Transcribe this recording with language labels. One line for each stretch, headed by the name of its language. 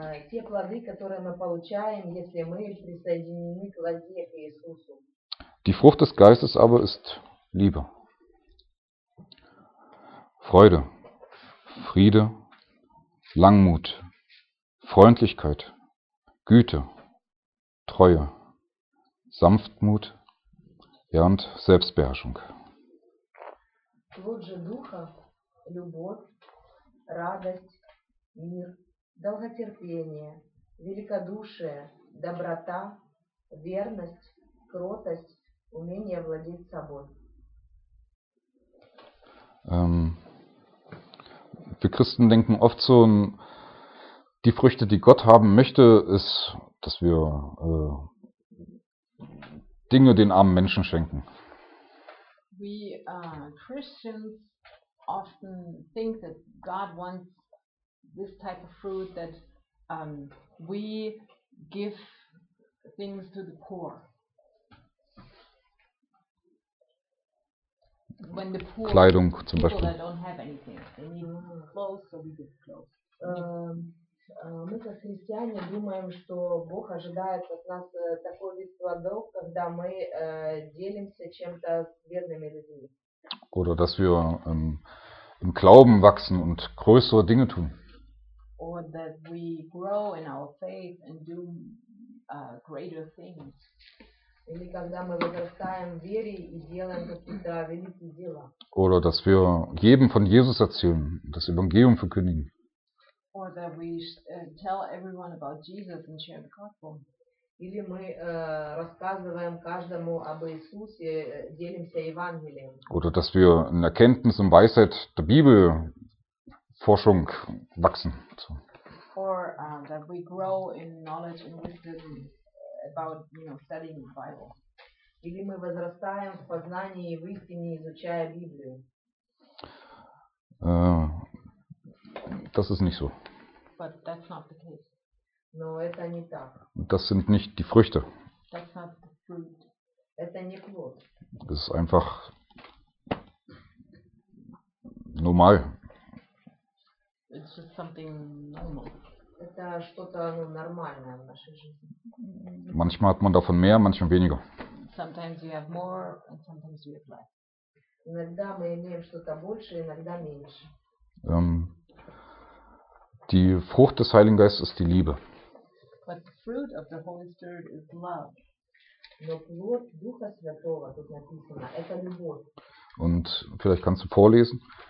Russian: Те плоды, которые мы получаем, если мы присоединены к лозе к Иисусу.
German: Die Frucht des Geistes aber ist Liebe, Freude, Friede, Langmut, Freundlichkeit, Güte, Treue, Sanftmut, ja, und Selbstbeherrschung.
Russian: Плод же Духа – любовь, радость, мир, долготерпение, великодушие, доброта, верность, кротость, умение владеть собой.
German: Wir Christen denken oft so, die Früchte, die Gott haben möchte, ist, dass wir Dinge den armen Menschen schenken.
English: We Christians often think that God wants this type of fruit that we give things to the poor. When the poor
German: Kleidung zum Beispiel.
English: People that don't have anything. They need clothes, so we give clothes.
Russian: Мы как христиане думаем, что Бог ожидает от нас такой вид плодов, когда мы делимся чем-то с бедными людьми.
German: Oder dass wir im Glauben wachsen und größere Dinge tun.
English: Or that we grow in our faith and do greater things.
Russian: Или когда мы возрастаем в вере и делаем какие-то великие дела.
German: Oder dass wir jedem von Jesus erzählen, das Evangelium verkündigen.
English: Or that we tell everyone about Jesus and share the gospel.
Russian: Или мы рассказываем каждому об Иисусе, делимся Евангелием.
German: Oder dass wir in Erkenntnis und Weisheit der Bibel Forschung wachsen.
English: So. Or that we grow in knowledge and wisdom about, you know, studying the Bible.
Russian: Или мы возрастаем в познании и в истине, изучая Библию.
German: Das ist nicht so.
English: But that's not the case.
Russian: Но это не так.
German: Das sind nicht die Früchte.
English: That's not the fruit.
Russian: Это не плод.
German: Das ist einfach normal.
English: It's just something normal.
Russian: Это что-то, ну, нормальное в нашей жизни.
German: Manchmal hat man davon mehr, manchmal weniger.
English: Sometimes you have more and sometimes you have less.
Russian: Иногда мы имеем что-то больше, иногда меньше.
German: Die Frucht des Heiligen Geistes ist die Liebe.
English: But the fruit of the Holy Spirit is love.
Russian: Но плод Духа Святого, тут написано, это любовь.
German: Und vielleicht kannst du vorlesen.